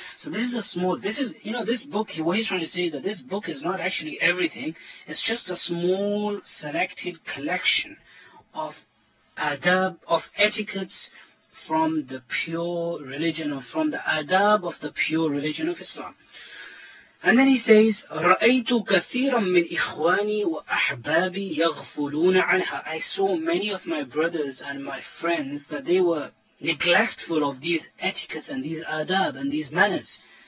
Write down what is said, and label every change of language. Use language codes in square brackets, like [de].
[en] So this is a small, this is, you know, this book, what he's trying to say, that this book is not actually everything, it's just a small selected collection of adab, of etiquettes from the pure religion, or from the adab of the pure religion of Islam. And then he says, [ar] رَأَيْتُ كَثِيرًا مِنْ إِخْوَانِي وَأَحْبَابِي يَغْفُلُونَ عَنْهَا. [en] I saw many of my brothers and my friends that they were neglectful of these etiquettes and these adab and these manners.